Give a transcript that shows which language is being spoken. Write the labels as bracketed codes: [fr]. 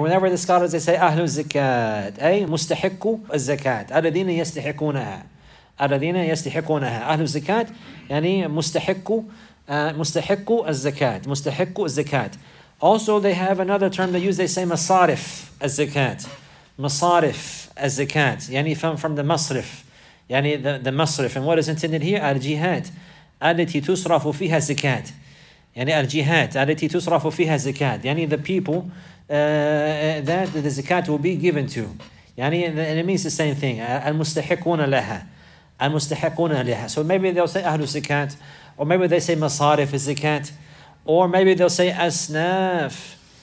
[en] Whenever the scholars, they say, [ar] أهل الزكاة, أي مستحقوا الزكاة. الذين يستحقونها. أهل الزكاة, يعني مستحقوا الزكاة. مستحقوا الزكاة. [en] Also, they have another term they use. They say, [ar] مصارف الزكاة. مصارف الزكاة. يعني [en] from the [ar] مصرف. يعني the مصرف. [en] And what is intended here? [ar] الجهات التي تصرف فيها الزكاة. يعني الجهات التي تصرف فيها الزكاة. [en] يعني the people that the zakat will be given to. يعني it means the same thing. [ar] المستحقون لها. المستحقون لها. [en] So maybe they'll say [ar] أهل الزكاة. [en] Or maybe they say [ar] مصارف الزكاة. [en] Or maybe they'll say أسناف.